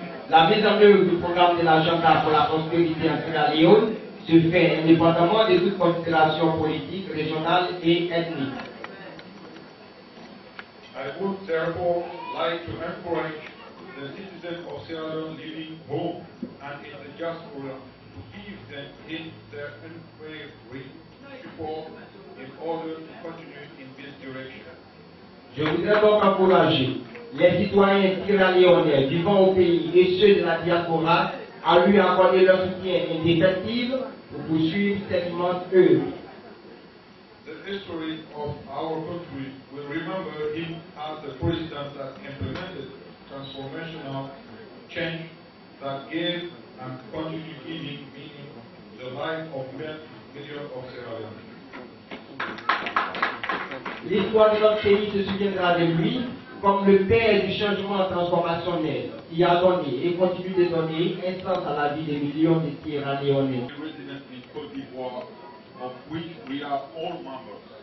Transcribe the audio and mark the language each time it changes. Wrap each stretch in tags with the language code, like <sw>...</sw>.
<fr>La mise en œuvre du programme de l'agenda pour la prospérité en Sierra Leone se fait indépendamment de toute considération politique, régionale et ethnique.</fr> <en>I would therefore like to encourage the citizens of Sierra Leone living home and in the diaspora to give them in their unwavering support in order to continue in this direction.</en> <fr>Je voudrais donc encourager les citoyens sierra-léonais vivant au pays et ceux de la diaspora à lui accorder leur soutien indéfectible pour poursuivre cette immense œuvre.</fr> <en>The history of our country will remember him as the president that implemented transformational change that gave and continued giving meaning to the life of millions of Sierra-Leone.</en> <fr>L'histoire de notre pays se souviendra de lui comme le père du changement transformationnel qui a donné et continue de donner un sens à la vie des millions de Sierra Leoneais. Les résidents de Côte d'Ivoire,</fr> <en>of which we are all members.</en>